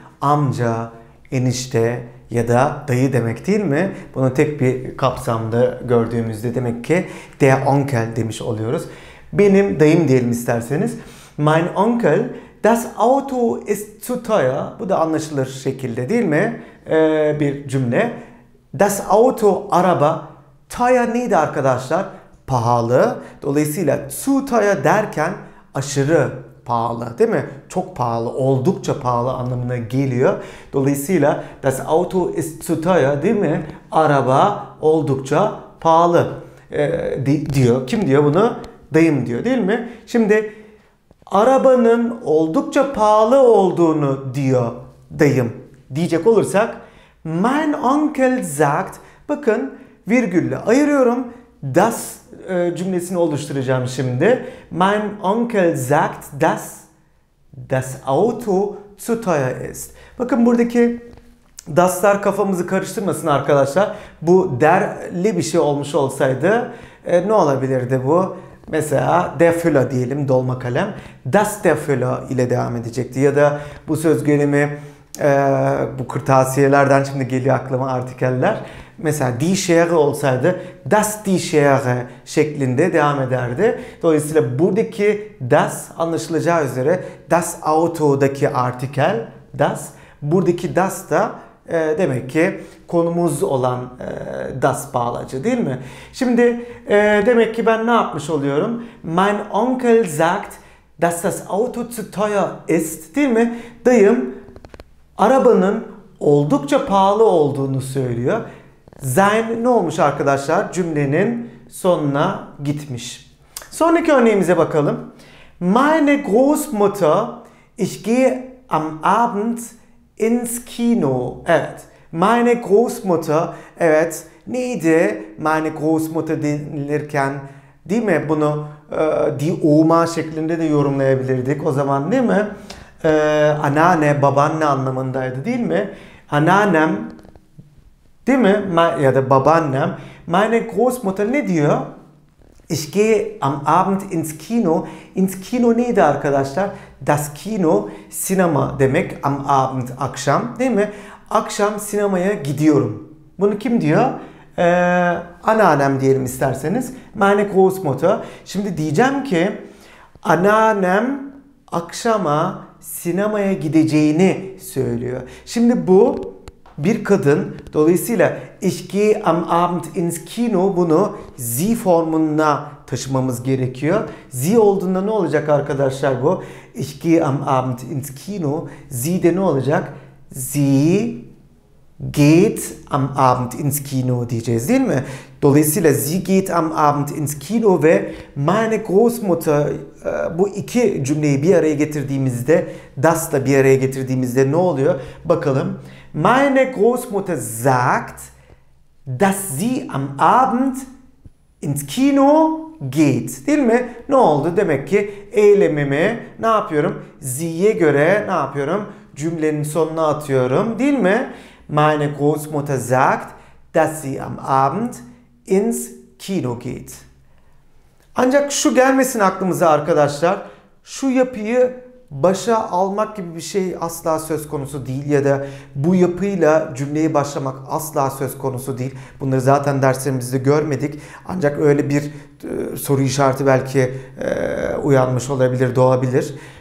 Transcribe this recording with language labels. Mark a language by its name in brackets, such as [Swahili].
[Turkish] Amca, enişte ya da dayı demek, değil mi? Bunu tek bir kapsamda gördüğümüzde demek ki [German] der Onkel [Turkish] demiş oluyoruz. Benim dayım diyelim isterseniz. [German] Mein Onkel, das Auto ist zu teuer. [Turkish] Bu da anlaşılır şekilde, değil mi? Bir cümle. [German] Das Auto, [Turkish] araba. [German] Teuer [Turkish] neydi arkadaşlar? Pahalı. Dolayısıyla [German] zu teuer [Turkish] derken aşırı pahalı, değil mi? Çok pahalı, oldukça pahalı anlamına geliyor. Dolayısıyla [German] das Auto ist zu teuer, [Turkish] değil mi? Araba oldukça pahalı diyor. Kim diyor bunu? Dayım diyor, değil mi? Şimdi arabanın oldukça pahalı olduğunu diyor dayım diyecek olursak, [German] mein Onkel sagt, [Turkish] bakın virgülle ayırıyorum, das cümlesini oluşturacağım şimdi. [German] Mein Onkel sagt, dass das Auto zu teuer ist. [Turkish] Bakın buradaki daslar kafamızı karıştırmasın arkadaşlar. Bu derli bir şey olmuş olsaydı ne olabilirdi bu? Mesela der Füller diyelim, dolma kalem. Das der Füller ile devam edecekti. Ya da bu söz gelimi bu kırtasiyelerden şimdi geliyor aklıma artikeller. Mesela die Schere olsaydı das die Schere şeklinde devam ederdi. Dolayısıyla buradaki das anlaşılacağı üzere das Auto'daki artikel das. Buradaki das da demek ki konumuz olan das bağlacı, değil mi? Şimdi demek ki ben ne yapmış oluyorum? [German] Mein Onkel sagt, dass das Auto zu teuer ist, [Turkish] değil mi? Dayım arabanın oldukça pahalı olduğunu söylüyor. Sein ne olmuş arkadaşlar? Cümlenin sonuna gitmiş. Sonraki örneğimize bakalım. [German] Meine Großmutter, ich gehe am Abend ins Kino. [Turkish] Evet. [German] Meine Großmutter, [Turkish] evet, neydi meine Großmutter denilirken, değil mi? Bunu die Oma şeklinde de yorumlayabilirdik o zaman, değil mi? Anneanne, babaanne anlamındaydı, değil mi? Anneannem, değil mi? Ya da babaannem. [German] Meine Großmutter [Turkish] ne diyor? [German] Ich gehe am Abend ins Kino. Ins Kino [Turkish] neydi arkadaşlar? [German] Das Kino, [Turkish] sinema demek. [German] Am Abend, [Turkish] akşam, değil mi? Akşam sinemaya gidiyorum. Bunu kim diyor? Anneannem diyelim isterseniz. [German] Meine Großmutter. [Turkish] Şimdi diyeceğim ki anneannem akşama sinemaya gideceğini söylüyor. Şimdi bu bir kadın. Dolayısıyla [German] ich gehe am Abend ins Kino, [Turkish] bunu sie formuna taşımamız gerekiyor. Sie olduğunda ne olacak arkadaşlar bu? [German] Ich gehe am Abend ins Kino. [Turkish] Sie de ne olacak? [German] Sie geht am Abend ins Kino [Turkish] diyeceğiz, değil mi? Dolayısıyla [German] sie geht am Abend ins Kino [Turkish] ve [German] meine Großmutter, [Turkish] bu iki cümleyi bir araya getirdiğimizde, das da bir araya getirdiğimizde ne oluyor? Bakalım. [German] Meine Großmutter sagt, dass sie am Abend ins Kino geht. [Turkish] Değil mi? Ne oldu? Demek ki eylemimi ne yapıyorum? Sie'ye göre ne yapıyorum? Cümlenin sonuna atıyorum, değil mi? [German] Meine Großmutter sagt, dass sie am Abend ins Kino geht. [Turkish] Ancak şu gelmesin aklımıza arkadaşlar. Şu yapıyı başa almak gibi bir şey asla söz konusu değil. Ya da bu yapıyla cümleye başlamak asla söz konusu değil. Bunları zaten derslerimizde görmedik. Ancak öyle bir soru işareti belki uyanmış olabilir, doğabilir.